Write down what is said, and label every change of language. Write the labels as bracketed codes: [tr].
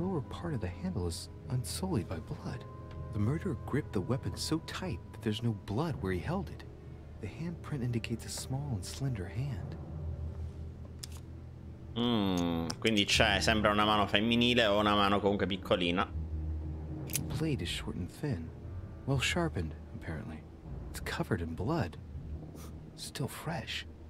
[en] Part of the handle is unsullied by blood. The murderer gripped the weapon so tight that there's no blood where he held it. The handprint indicates a small and slender hand. [it] Quindi c'è, sembra una mano femminile o una mano comunque piccolina. [en] The blade is short and thin, well sharpened, apparently. It's covered in blood. Still fresh.